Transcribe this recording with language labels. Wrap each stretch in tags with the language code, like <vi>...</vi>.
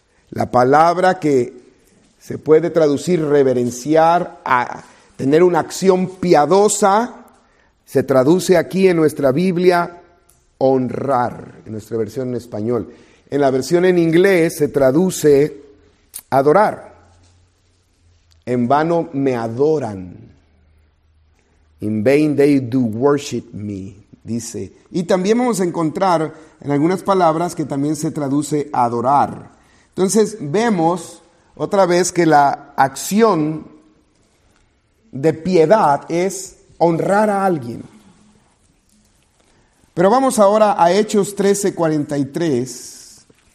<es>La palabra que se puede traducir reverenciar, a tener una acción piadosa, se traduce aquí en nuestra Biblia honrar, en nuestra versión en español. En la versión en inglés se traduce adorar. En vano me adoran.</es> <en>In vain they do worship me,</en> <es>dice. Y también vamos a encontrar en algunas palabras que también se traduce adorar. Entonces vemos otra vez que la acción de piedad es honrar a alguien. Pero vamos ahora a Hechos 13:43.</es>